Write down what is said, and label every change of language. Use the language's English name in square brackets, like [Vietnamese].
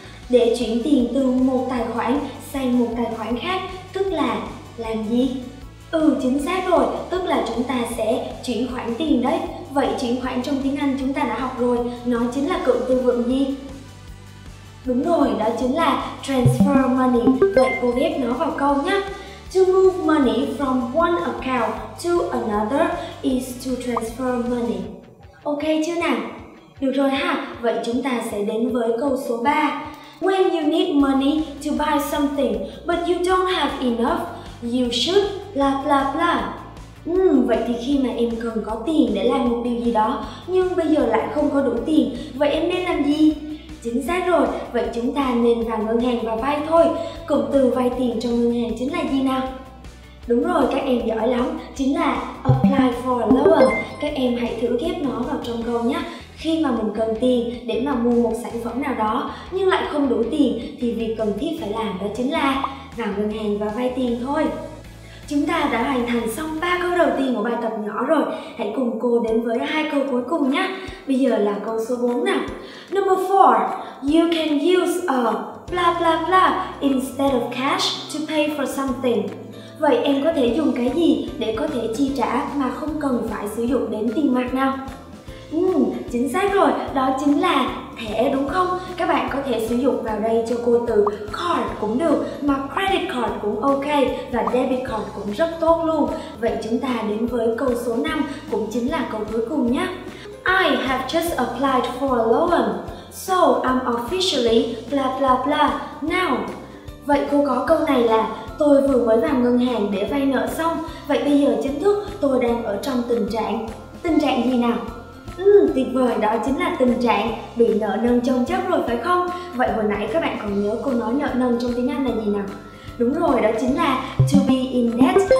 [Vietnamese] Để chuyển tiền từ một tài khoản sang một tài khoản khác, tức là làm gì? Chính xác rồi, tức là chúng ta sẽ chuyển khoản tiền đấy. Vậy chuyển khoản trong tiếng Anh chúng ta đã học rồi, nó chính là cụm từ vựng gì? Đúng rồi, đó chính là [English] transfer money. [Vietnamese] Vậy cô ghép nó vào câu nhé. [English] To move money from one account to another is to transfer money. [Vietnamese] Ok chưa nào? Được rồi ha, vậy chúng ta sẽ đến với câu số 3. [English] When you need money to buy something but you don't have enough, you should blah blah blah. [Vietnamese] Vậy thì khi mà em cần có tiền để làm một điều gì đó nhưng bây giờ lại không có đủ tiền, vậy em nên làm gì? Chính xác rồi, vậy chúng ta nên vào ngân hàng và vay thôi. Cụm từ vay tiền trong ngân hàng chính là gì nào? Đúng rồi, các em giỏi lắm, chính là [English] apply for a loan. [Vietnamese] Các em hãy thử ghép nó vào trong câu nhé. Khi mà mình cần tiền để mà mua một sản phẩm nào đó nhưng lại không đủ tiền thì việc cần thiết phải làm đó chính là vào ngân hàng và vay tiền thôi. Chúng ta đã hoàn thành xong 3 câu đầu tiên của bài tập nhỏ rồi. Hãy cùng cô đến với 2 câu cuối cùng nhé. Bây giờ là câu số 4 nào. [English] Number 4. You can use a blah blah blah instead of cash to pay for something. [Vietnamese] Vậy em có thể dùng cái gì để có thể chi trả mà không cần phải sử dụng đến tiền mặt nào? Chính xác rồi, đó chính là thẻ đúng không? Các bạn có thể sử dụng vào đây cho cô từ card cũng được, mà credit card cũng ok và debit card cũng rất tốt luôn. Vậy chúng ta đến với câu số 5, cũng chính là câu cuối cùng nhé. [English] I have just applied for a loan, so I'm officially blah blah blah now. [Vietnamese] Vậy cô có câu này là: tôi vừa mới vào ngân hàng để vay nợ xong, vậy bây giờ chính thức tôi đang ở trong tình trạng gì nào? Tuyệt vời, đó chính là tình trạng bị nợ nần chồng chất rồi phải không? Vậy hồi nãy các bạn còn nhớ cô nói nợ nần trong tiếng Anh là gì nào? Đúng rồi, đó chính là [English] to be in debt.